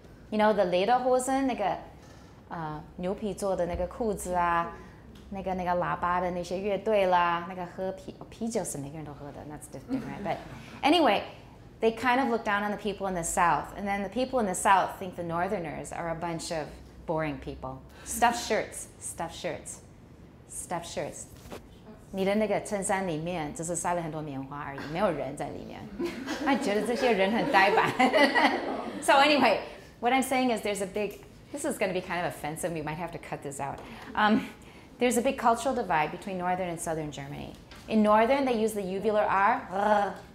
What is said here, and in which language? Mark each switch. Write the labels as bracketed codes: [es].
[en] You know, the lederhosen, [zh] 那个牛皮做的那个裤子啊，那个喇叭的那些乐队啦，那个喝啤酒是每个人都喝的, [en] that's different, right? But anyway, they kind of look down on the people in the south. And then the people in the south think the northerners are a bunch of boring people. Stuffed shirts. [zh] 你的那个衬衫里面只是塞了很多棉花而已，没有人在里面。他觉得这些人很呆板。 [en] So anyway, what I'm saying is there's a big, this is going to be kind of offensive, we might have to cut this out. There's a big cultural divide between northern and southern Germany. In northern, they use the uvular R.